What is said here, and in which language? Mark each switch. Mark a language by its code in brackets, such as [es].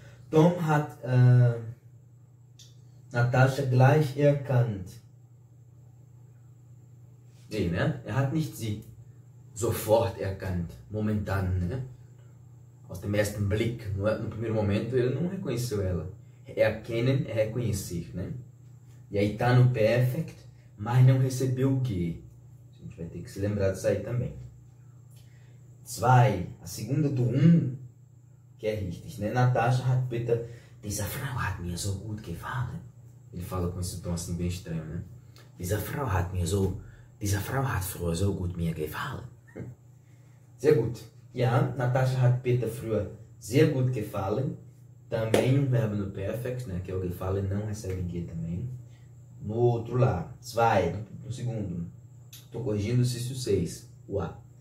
[de] Tom hat Natascha gleich erkannt. Nee, ne? Er hat nicht sie sofort erkannt, momentan, ne? Aus dem ersten Blick, [pt] no primeiro momento, ele não reconheceu ela. Erkennen é reconhecer, né? E aí tá no perfect, mas não recebeu o quê? A gente vai ter que se lembrar disso aí também. Zwei, a segunda do um. Que é richtig, né? [de] Natasha hat Peter, dieser Frau hat mir so gut gefallen. [pt] Ele fala com esse tom assim bem estranho, né? [de] Diese Frau hat früher so gut mir gefallen. Sehr gut. Ja, Natasha hat Peter früher sehr gut gefallen. [pt] Também um verbo no perfect, né? Que é o gefallen, não recebe que também. No outro lá, zwei, no segundo. Tô corrigindo o exercício 6, o A.